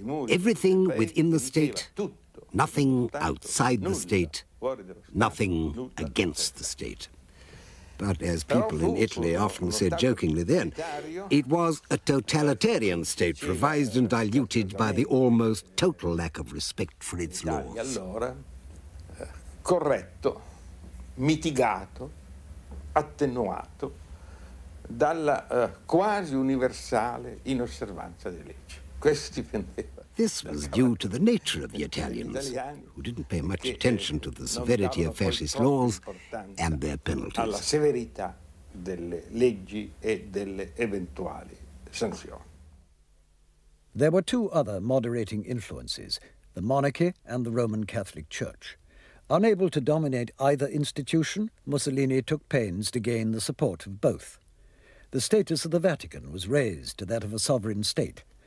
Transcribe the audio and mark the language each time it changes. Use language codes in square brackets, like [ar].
[en] Everything within the state, nothing outside the state, nothing against the state. But as people in Italy often said jokingly then, it was a totalitarian state revised and diluted by the almost total lack of respect for its laws. [it] Corretto, mitigato, attenuato dalla quasi universale inosservanza delle leggi. Questo dipendeva. [en] This was due to the nature of the Italians, who didn't pay much attention to the severity of fascist laws and their penalties. [it] Alla severità delle leggi e delle eventuali sanzioni. [en] There were two other moderating influences, the monarchy and the Roman Catholic Church. Unable to dominate either institution, Mussolini took pains to gain the support of both. The status of the Vatican was raised to that of a sovereign state,